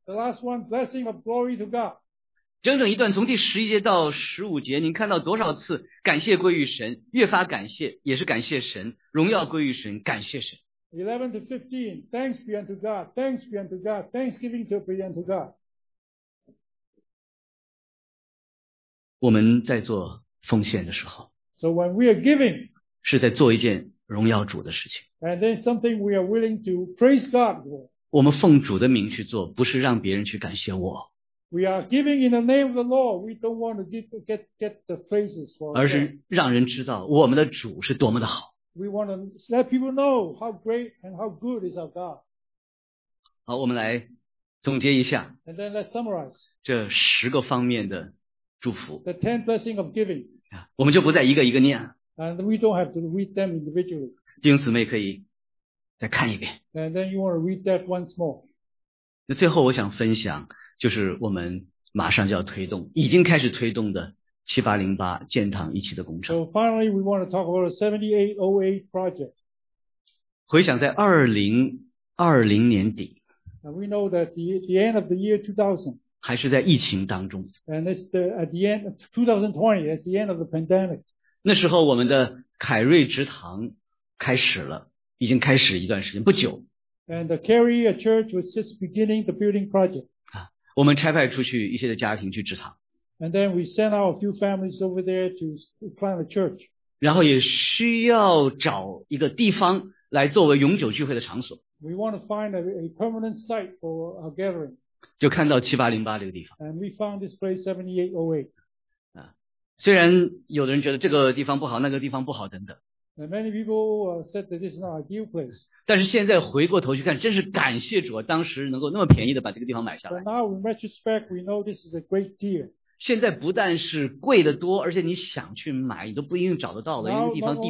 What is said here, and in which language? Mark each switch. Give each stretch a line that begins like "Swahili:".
English: The last one, blessing of glory to God.
Chinese: 整整一段从第十一节到十五节，您看到多少次感谢归于神，越发感谢，也是感谢神，荣耀归于神，感谢神。
English: 11 to 15, thanks be unto God, thanks be unto God, thanksgiving to be unto God.
Chinese: 我们在做奉献的时候，
English: so when we are giving,
Chinese: 是在做一件荣耀主的事情。
English: And then something we are willing to praise God for.
Chinese: 我们奉主的名去做，不是让别人去感谢我。
English: We are giving in the name of the Lord, we don't want to get the praises for God.
Chinese: 而是让人知道我们的主是多么的好。
English: We want to let people know how great and how good is our God.
Chinese: 好，我们来总结一下。
English: And then let's summarize.
Chinese: 这十个方面的祝福。
English: The ten blessings of giving.
Chinese: 我们就不再一个一个念了。
English: And we don't have to read them individually.
Chinese: 弟兄姊妹可以再看一遍。
English: And then you want to read that once more.
Chinese: 那最后我想分享，就是我们马上就要推动，已经开始推动的7808建堂一期的工程。
English: So finally, we want to talk about a 7808 project.
Chinese: 回想在2020年底。
English: And we know that the end of the year 2000.
Chinese: 还是在疫情当中。
English: And it's at the end of 2020, it's the end of the pandemic.
Chinese: 那时候我们的凯瑞职堂开始了，已经开始一段时间，不久。
English: And the Carey Church was just beginning the building project.
Chinese: 我们差派出去一些的家庭去职堂。
English: And then we sent out a few families over there to plant a church.
Chinese: 然后也需要找一个地方来作为永久聚会的场所。
English: We want to find a permanent site for a gathering.
Chinese: 就看到7808这个地方。
English: And we found this place 7808.
Chinese: 虽然有的人觉得这个地方不好，那个地方不好等等。
English: And many people said that this is not a ideal place.
Chinese: 但是现在回过头去看，真是感谢主啊，当时能够那么便宜的把这个地方买下来。
English: But now in retrospect, we know this is a great deal.
Chinese: 现在不但是贵得多，而且你想去买，你都不一定找得到了，因为地方地。